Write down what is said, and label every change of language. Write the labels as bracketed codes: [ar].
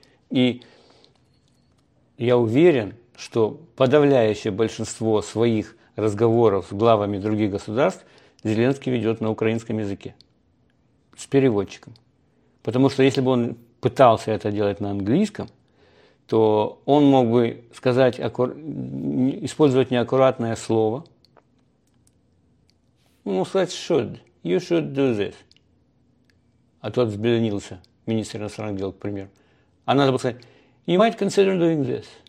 [ru] И я уверен, что подавляющее большинство своих разговоров с главами других государств Зеленский ведет на украинском языке с переводчиком. Потому что если бы он пытался это делать на английском, то он мог бы сказать, использовать неаккуратное слово. Он мог сказать [en] «should», «you should do this». [ru] А тот взбеленился, министр иностранных дел, к примеру. А надо было сказать [en] «you might consider doing this».